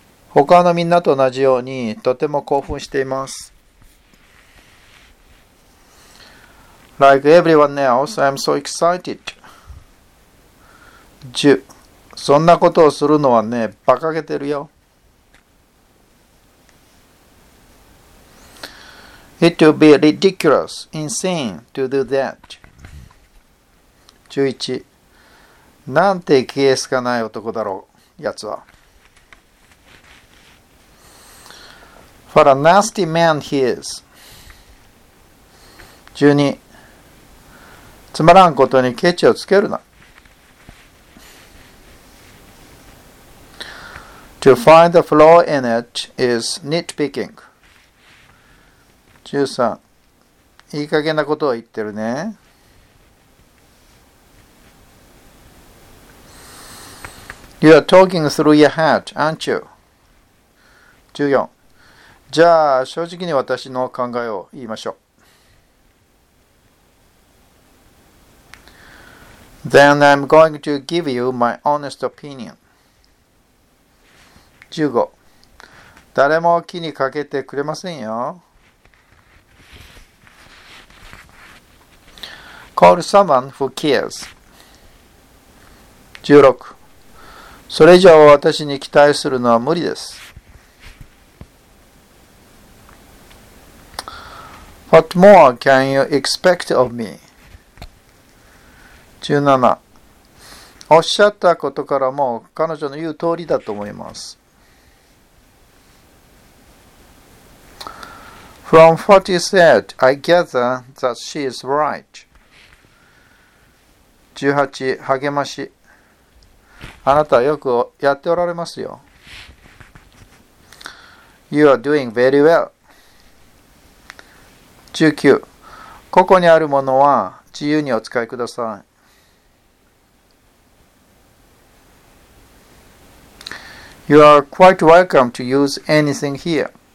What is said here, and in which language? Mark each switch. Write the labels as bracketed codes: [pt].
[ja] 他のみんなと同じようにとても興奮しています。 [en] Like everyone else, I'm so excited. 10. [ja] そんなことをするのはね、馬鹿げてるよ。 [en] It will be ridiculous, insane to do that. 11. [ja] なんてケースがない男だろう、やつは。 [en] What a nasty man he is. 12. [ja] つまらんことにケチをつけるな。 [en] To find the flaw in it is nitpicking. 13. [ja] いい加減なことを言ってるね。 [en] You are talking through your hat, aren't you? 14. [ja] じゃあ、正直に私の考えを言いましょう。 [en] Then I'm going to give you my honest opinion. 15. [ja] 誰も気にかけてくれませんよ。 [en] Call someone who cares. 16. [ja] それ以上私に期待するのは無理です。 [en] What more can you expect of me? 17. [ja] おっしゃったことからも彼女の言う通りだと思います。 [en] From what you said, I gather that she is right. [ja] 18. 励まし。あなたはよくやっておられますよ。 [en] You are doing very well. 19. [ja] ここにあるものは自由にお使いください。 [en] You are quite welcome to use anything here.